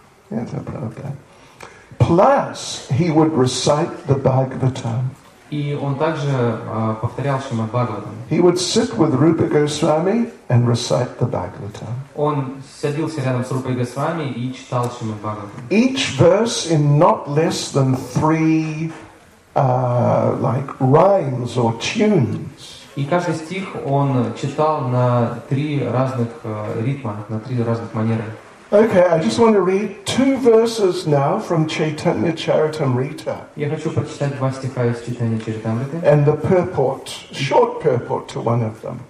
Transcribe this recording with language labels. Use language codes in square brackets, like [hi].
[en] Yeah, no problem. Plus, he would recite the Bhagavatam. [ru] И он также повторял Шримад Бхагаватам. [en] He would sit with Rupa Goswami and recite the Bhagavatam. [ru] Он садился рядом с Рупой Госвами и читал Шримад Бхагаватам. [en] Each verse in not less than three like rhymes or tunes. [ru] И каждый стих он читал на три разных ритма, на три разных манеры. [en] Okay, I just want to read two verses now from Chaitanya Charitamrita. [ru] Я хочу прочитать два стиха из Чайтанья Чаритамриты. [en] And the purport, short purport to one of them.